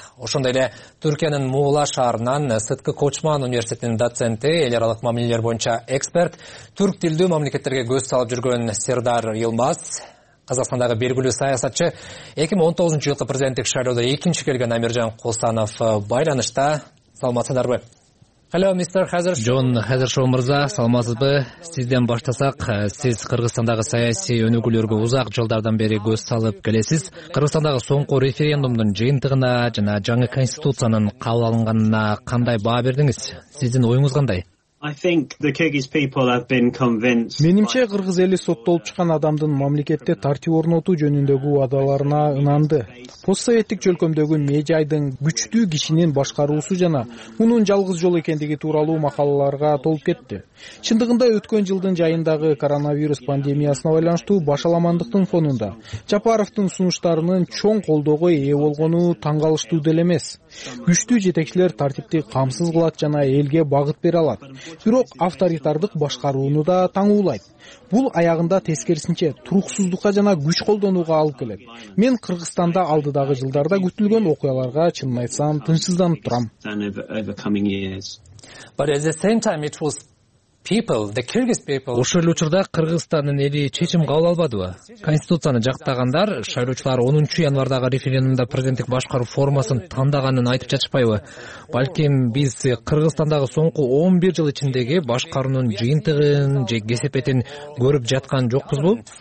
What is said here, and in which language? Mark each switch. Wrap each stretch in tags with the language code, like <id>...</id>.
<ky>Ошондой эле Түркиянын Муула шаарынан Сыткы Кочман университетинин доценти, эл аралык мамилелер боюнча эксперт, түрк тилдүү мамлекеттерге көз салып жүргөн Сердар Йылмаз, Казакстандагы белгилүү саясатчы, 2019 жылкы президенттик шайлоодо экинчи келген Амиржан Кулсанов байланышта. Саламатсыздарбы?</ky> <en>Hello, Mr.</en> <ky>Хазершоу. Джон Хазершоу мырза, саламатсызбы? Сизден баштасак, сиз Кыргызстандагы саясий өнүгүүлөргө узак жылдардан бери көз салып келесиз. Кыргызстандагы соңку референдумдун жыйынтыгына жана жаңы конституциянын кабыл алынганына кандай баа бердиңиз? Сиздин оюңуз кандай?</ky> <en>I think the Kyrgyz people have been convinced.</en> <ky>Менимче кыргыз эли соттолуп чыккан адамдын мамлекетте тартип орнотуу жөнүндөгү убадаларына ынанды. Постсоветтик чөлкөмдөгү межайдын күчтүү кишинин башкаруусу жана мунун жалгыз жол экендиги тууралуу макалаларга толуп кетти. Чындыгында өткөн жылдын жайындагы коронавирус пандемиясына байланыштуу башаламандыктын фонунда Жапаровдун сунуштарынын чоң колдоого ээ болгону таң калыштуу деле эмес. Күчтүү жетекчилер тартипти камсыз кылат жана элге багыт бере алат. Бирок авторитардык башкарууну да таңуулайт. Бул аягында тескерисинче туруксуздукка жана күч колдонууга алып келет. Мен Кыргызстанда алдыдагы жылдарда күтүлгөн окуяларга чынын айтсам тынчсызданып турам.</ky> <en>But at the same time it was people, the Kyrgyz people.</en> <ky>Ошол учурда Кыргызстандын эли чечим кабыл албадыбы? Конституцияны жактагандар, шайлоочулар 10 январдагы референдумда президенттик башкаруу формасын тандаганын айтып жатышпайбы? Балким биз Кыргызстандагы соңку 11 жыл ичиндеги башкаруунун жыйынтыгын же кесепетин көрүп жаткан жокпузбу?</ky>